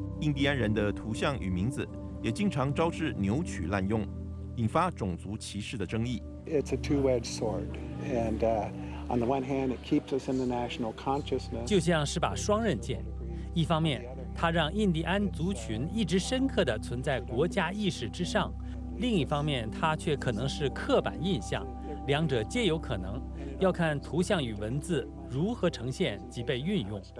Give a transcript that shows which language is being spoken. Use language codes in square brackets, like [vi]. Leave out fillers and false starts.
[zh] 印第安人的图像与名字。也经常招致扭曲滥用，引发种族歧视的争议。 [en] It's a two-edged sword, and on the one hand, it keeps us in the national consciousness. [zh] 就像是把双刃剑，一方面，它让印第安族群一直深刻地存在国家意识之上；另一方面，它却可能是刻板印象，两者皆有可能，要看图像与文字如何呈现及被运用。